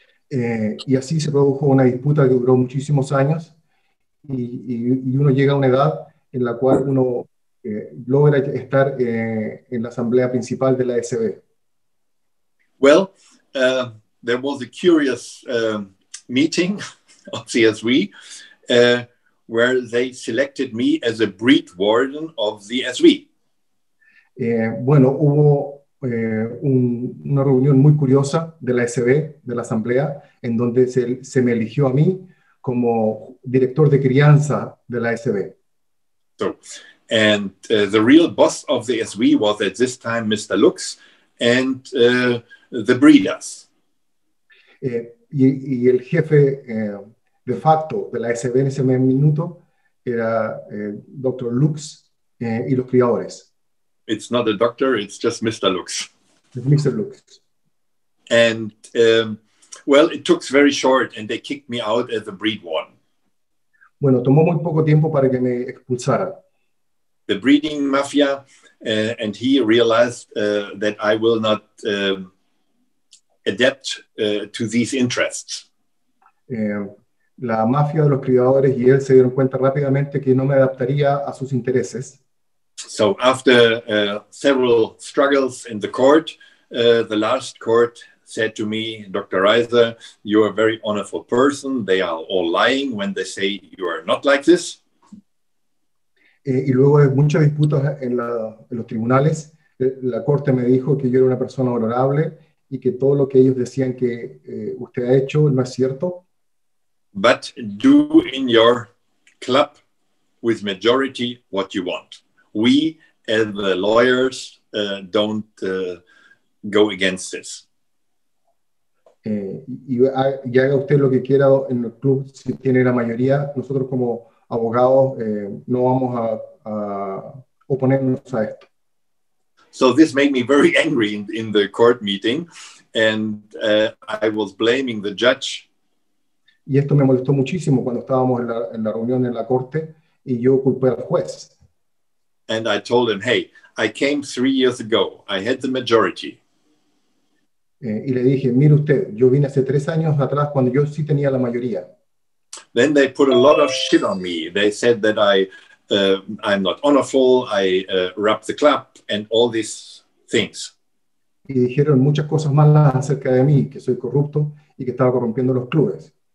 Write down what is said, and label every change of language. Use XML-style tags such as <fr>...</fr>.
<es>Y así se produjo una disputa que duró muchísimos años y uno llega a una edad en la cual uno logra estar en la asamblea principal de la SB.</es> <en>Well, there was a curious meeting of CSV where they selected me as a breed warden of the SV.</en> <es>Bueno, hubo una reunión muy curiosa de la SB, de la asamblea, en donde se me eligió a mí como director de crianza de la SB.</es> <en>So, and the real boss of the SV was at this time Mr. Lux and the breeders.</en> <es>Y el jefe de facto de la SB en ese minuto era Dr. Lux y los criadores.</es> <en>It's not a doctor, it's just Mr. Lux. Mr. Lux. And well, it took very short and they kicked me out as a breed one.</en> <es>Bueno, tomó muy poco tiempo para que me expulsaran.</es> <en>The breeding mafia, and he realized that I will not adapt to these interests.</en> <es>La mafia de los criadores y él se dieron cuenta rápidamente que no me adaptaría a sus intereses.</es> <en>So, after several struggles in the court, the last court said to me, Dr. Reiser, you are a very honorable person. They are all lying when they say you are not like this.</en> <es>Y luego de muchas disputas en los tribunales, la corte me dijo que yo era una persona honorable y que todo lo que ellos decían que usted ha hecho no es cierto.</es> <en>But do in your club with majority what you want. We, as the lawyers, don't go against this.</en> <es>Y haga usted lo que quiera en el club si tiene la mayoría. Nosotros como abogados no vamos a oponernos a esto.</es> <en>So this made me very angry in the court meeting, and I was blaming the judge.</en> <es>Y esto me molestó muchísimo cuando estábamos en la reunión en la corte y yo culpé al juez.</es> <en>And I told him, hey, I came 3 years ago. I had the majority.</en> <es>Y le dije, mire usted, yo vine hace 3 años atrás cuando yo sí tenía la mayoría.</es> <en>Then they put a lot of shit on me. They said that I'm not honorable. I rub the club and all these things.</en> <es>Y dijeron muchas cosas malas acerca de mí, que soy corrupto y que estaba corrompiendo los clubes.</es>